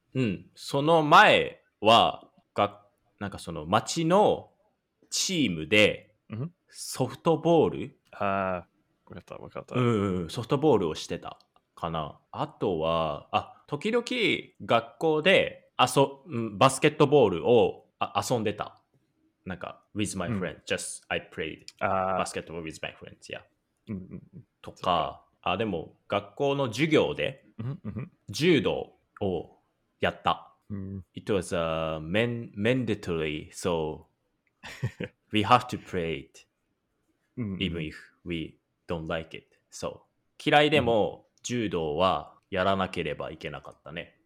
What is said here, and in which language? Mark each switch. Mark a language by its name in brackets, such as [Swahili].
[Japanese] うん、その前は、なんかその町のチームでソフトボール。ああ、分かった。うん、ソフトボールをしてたかな。あとは、時々学校でバスケットボールを遊んでた。 [English] なんか with my friend、うん、just I played basketball with my friends、yeah. うんうん、 [Japanese] とか、あ、でも学校の授業で柔道をやった、うん、 [English] it was mandatory so we have to play it even if we don't like it、 so [Japanese] 嫌いでも柔道はやらなければいけなかったね。